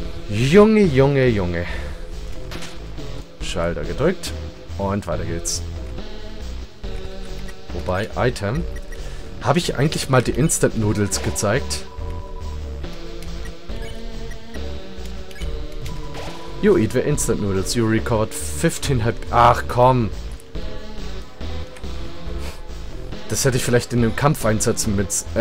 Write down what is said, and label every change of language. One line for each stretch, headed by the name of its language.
German: Junge, Junge, Junge. Schalter gedrückt. Und weiter geht's. Wobei, Item. Habe ich eigentlich mal die Instant Noodles gezeigt?
English: You eat the instant noodles, you recovered 15 HP.
German: Ach komm! Das hätte ich vielleicht in dem Kampf einsetzen mit.